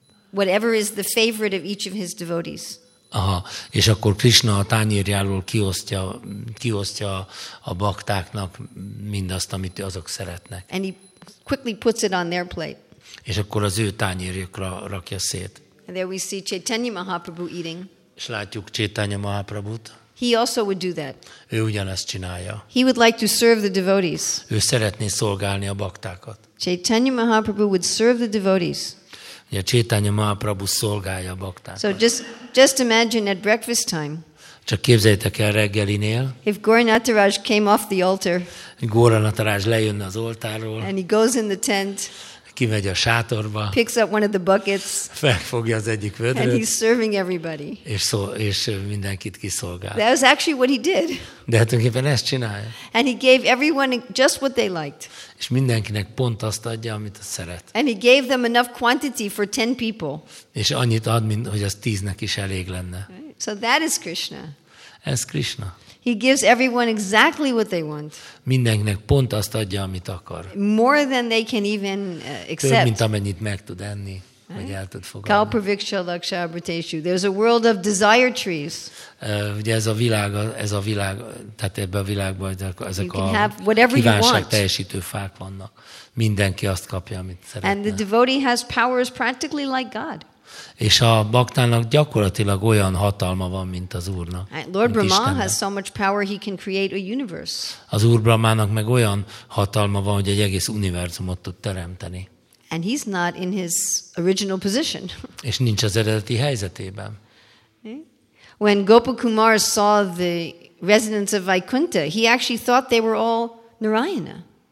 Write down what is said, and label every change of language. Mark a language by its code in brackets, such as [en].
[en] Whatever is the favorite of each of his devotees. [hu] Aha, és akkor Krishna a tányérjáról kiosztja a baktáknak mindazt, amit azok szeretnek. [en] And he quickly puts it on their plate. [hu] És akkor az ő tányérjukra rakja szét. [en] And there we see Chaitanya Mahaprabhu eating. [hu] És látjuk Chaitanya Mahaprabhut. [en] He also would do that. [hu] Ő ugyanezt csinálja. [en] He would like to serve the devotees. [hu] Ő szeretné szolgálni a baktákat. [en] Chaitanya Mahaprabhu would serve the devotees. [hu] Ugye Chaitanya Mahaprabhu szolgálja a baktákat. [en] So just imagine at breakfast time. [hu] Csak képzeljétek el reggelinél. [en] If Gauranataraj came off the altar. [hu] Gauranataraj lejönne az oltárról. [en] And he goes in the tent. [hu] Kimegy a sátorba. [en] Picks up one of the buckets. [hu] Felfogja az egyik vödröt. [en] And he's serving everybody. [hu] És mindenkit kiszolgál. [en] That was actually what he did. [hu] De tulajdonképpen ezt csinálja. [en] And he gave everyone just what they liked. [hu] És mindenkinek pont azt adja, amit szeret. [en] And he gave them enough quantity for 10 people. [hu] És annyit ad, mint hogy az 10-nek is elég lenne. [en] Right? So that is Krishna. [hu] Ez Krishna. [en] He gives everyone exactly what they want. [hu] Mindenkinek pont azt adja, amit akar. [en] More than they can even accept. [hu] Több, mint amennyit meg tud enni, vagy el tud fogadni. [sa] Kalpaviksha laksha abhriteshu. [en] There's a world of desire trees. [hu] Ugye ez a világ, tehát ebben a világban ezek a kívánságteljesítő fák vannak. Mindenki azt kapja, amit szeretne. [en] And the devotee has powers practically like God. [hu] És a baktának gyakorlatilag olyan hatalma van, mint az Úrnak. [en] Lord Brahma has so much power he can create a universe. [hu] Az Úr Brahmának meg olyan hatalma van, hogy egy egész univerzumot tud teremteni. [en] And he's not in his original position. [hu] És nincs az eredeti helyzetében. [en] When Gopakumar saw the residents of Vaikuntha, he actually thought they were all Narayana.